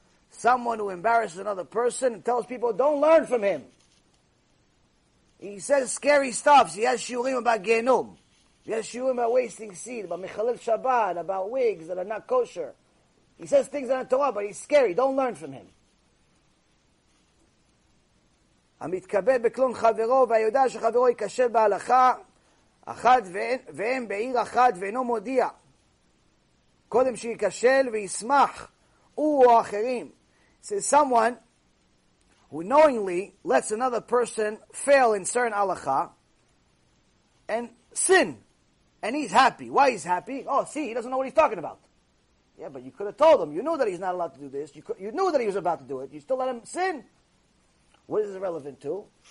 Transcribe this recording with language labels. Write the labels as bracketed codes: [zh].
[en] Someone who embarrasses another person and tells people, don't learn from him. He says scary stuff. He has shiurim about genom. He has shiurim about wasting seed, about mechalel Shabbat, about wigs that are not kosher. He says things that are not Torah, but he's scary. Don't learn from him. [he] המתקבל בקלון חברו והיודע שחברו יקשל בהלכה אחת והם בעיר אחת ואינו מודיע קודם שיקשל וישמח הוא או אחרים. [en] Says someone who knowingly lets another person fail in certain halakha and sin and he's happy. Why he's happy? Oh, see, he doesn't know what he's talking about. Yeah, but you could have told him. You knew that he's not allowed to do this. You knew that he was about to do it. You still let him sin. What is it relevant to?